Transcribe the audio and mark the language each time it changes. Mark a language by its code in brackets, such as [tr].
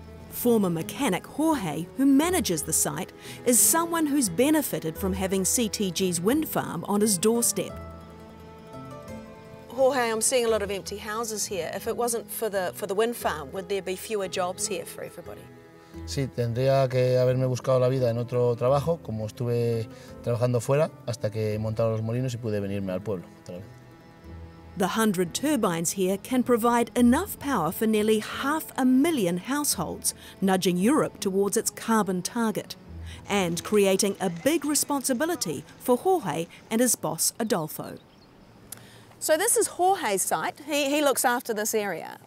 [en] Former mechanic Jorge, who manages the site, is someone who's benefited from having CTG's wind farm on his doorstep. Jorge, I'm seeing a lot of empty houses here. If it wasn't for the wind farm, would there be fewer jobs here for everybody? [es] Sí, tendría que haberme buscado la vida en otro trabajo, como estuve trabajando fuera, hasta que montaron los molinos y pude venirme al pueblo otra vez. [en] The 100 turbines here can provide enough power for nearly 500,000 households, nudging Europe towards its carbon target, and creating a big responsibility for Jorge and his boss Adolfo. So this is Jorge's site. He looks after this area.